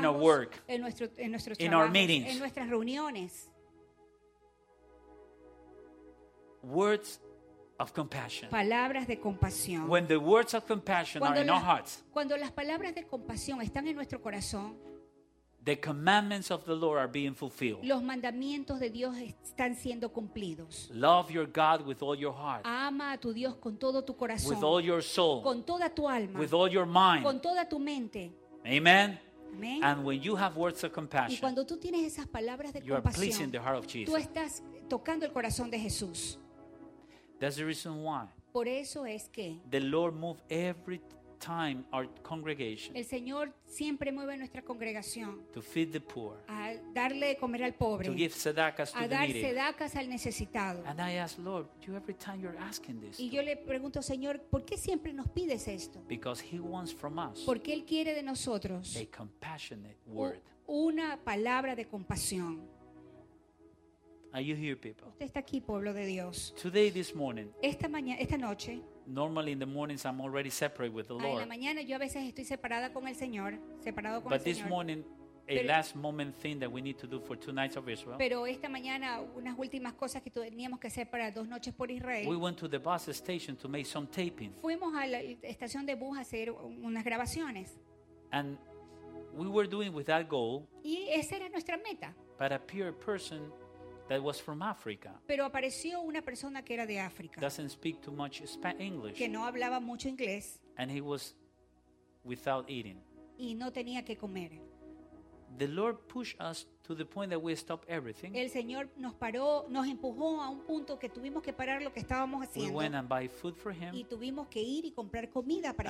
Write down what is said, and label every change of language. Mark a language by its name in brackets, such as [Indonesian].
[English] In our work. [Spanish] En nuestros [English] in our meetings. [Spanish] En nuestras reuniones. [English] Words of compassion. [Spanish] Palabras de compasión. [English] When the words of compassion [Spanish] cuando [English] are in our hearts. [Spanish] Cuando las palabras de compasión están en nuestro corazón. [English] The commandments of the Lord are being fulfilled. [Spanish] Los mandamientos de Dios están siendo cumplidos. [English] Love your God with all your heart. [Spanish] Ama a tu Dios con todo tu corazón. [English] With all your soul. [Spanish] Con toda tu alma. [English] With all your mind. [Spanish] Con toda tu mente. [English] Amen. [Spanish] Amen. [English] And when you have words of compassion. [Spanish] Y cuando tú tienes esas palabras de [English] you [Spanish] compasión. [English] You are pleasing the heart of Jesus. [Spanish] Tú estás tocando el corazón de Jesús. [English] That's the reason why. [Spanish] Por eso es que [English] the Lord moved every time our congregation. [Spanish] El Señor siempre mueve nuestra congregación. [English] To feed the poor. [Spanish] A darle de comer al pobre. [English] To give sedacas to the needy. [Spanish] A dar sedacas al necesitado. [English] And I ask Lord, you every time you're asking this. [Spanish] Y yo le pregunto, Señor, ¿por qué siempre nos pides esto? [English] Because he wants from us. [Spanish] Porque él quiere de nosotros. [English] A compassionate word. [Spanish] Una palabra de compasión. [English] Are you here, people? [Spanish] Usted está aquí, pueblo de Dios. [English] Today, this morning. [Spanish] Esta noche. [English] Normally in the mornings I'm already separate with the Lord. [Spanish] En la mañana yo a veces estoy separada con el Señor, separado con el [English] Señor. But this morning, a last moment thing that we need to do for two nights of Israel. [Spanish] Pero esta mañana unas últimas cosas que teníamos que hacer para dos noches por Israel. [English] We went to the bus station to make some taping. [Spanish] Fuimos a la estación de bus a hacer unas grabaciones. [English] And we were doing with that goal. [Spanish] Y esa era nuestra meta. [English] But a pure person. That was from Africa. [Spanish] Pero apareció una persona que era de África. [English] Doesn't speak too much English. [Spanish] Que no hablaba mucho inglés. [English] And he was without eating. [Spanish] Y no tenía que comer. [English] The Lord pushed us to the point that we stopped everything. [Spanish] El Señor nos paró, nos empujó a un punto que tuvimos que parar lo que estábamos haciendo. [English] We went and buy food for him. [Spanish] Y tuvimos que ir y comprar comida para